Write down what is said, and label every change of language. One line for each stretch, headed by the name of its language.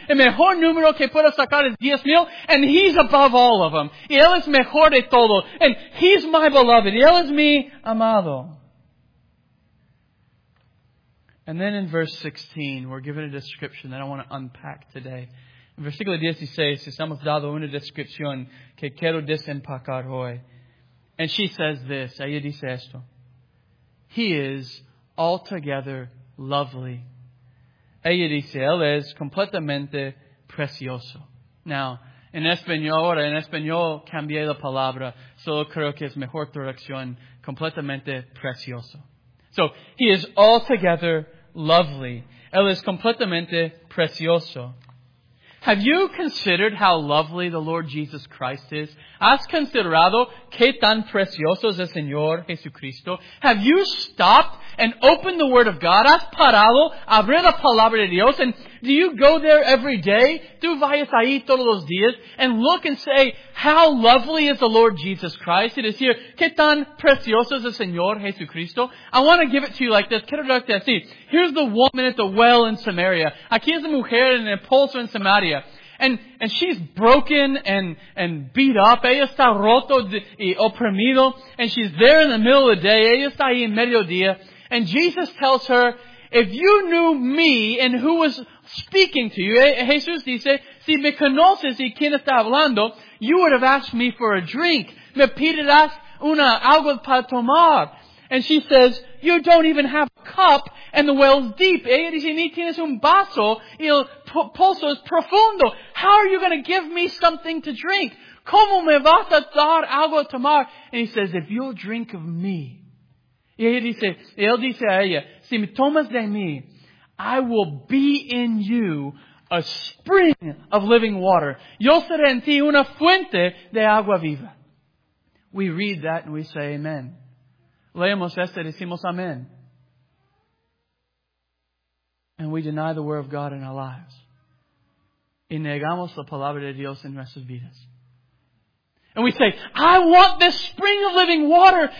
Spanish: El mejor número que puedo sacar es 10,000.
English: And he's above all of them.
Spanish: Y él es mejor de todos.
English: And he's my beloved.
Spanish: Y él es mi amado.
English: And then in verse 16, we're given a description that I want to unpack today.
Spanish: In versículo 16, estamos dado una descripción que quiero desempacar hoy.
English: And she says this,
Spanish: ella dice esto.
English: He is altogether lovely.
Spanish: Ella dice, él es completamente precioso. Now, en español, ahora en español cambié la palabra. Solo creo que es mejor traducción, completamente precioso.
English: So, he is altogether lovely.
Spanish: Él es completamente precioso.
English: Have you considered how lovely the Lord Jesus Christ is?
Spanish: ¿Has considerado qué tan precioso es el Señor Jesucristo?
English: Have you stopped and open the Word of God.
Spanish: Has parado a abrir la palabra de Dios?
English: And do you go there every day?
Spanish: Tú vayas ahí todos los días
English: and look and say, how lovely is the Lord Jesus Christ? It is here.
Spanish: ¿Qué tan precioso es el Señor Jesucristo?
English: I want to give it to you like this.
Spanish: Quiero darte así.
English: Here's the woman at the well in Samaria.
Spanish: Aquí es la mujer en el pozo en Samaria.
English: And she's broken and beat up.
Spanish: Ella está roto y oprimido.
English: And she's there in the middle of the day.
Spanish: Ella está ahí en mediodía.
English: And Jesus tells her, if you knew me and who was speaking to you,
Spanish: Jesús dice, si me conoces y quién está hablando,
English: you would have asked me for a drink.
Spanish: Me pedirás una agua para tomar.
English: And she says, you don't even have a cup and the well's deep.
Spanish: Ella dice, ni tienes un vaso y el pozo es profundo.
English: How are you going to give me something to drink?
Spanish: ¿Cómo me vas a dar agua a tomar?
English: And he says, if you'll drink of me.
Spanish: Y ella dice, él dice a ella, si me tomas de mí,
English: I will be in you a spring of living water.
Spanish: Yo seré en ti una fuente de agua viva.
English: We read that and we say amen.
Spanish: Leemos esto y decimos amén.
English: And we deny the Word of God in our lives.
Spanish: Y negamos la palabra de Dios en nuestras vidas.
English: And we say, I want this spring of living water.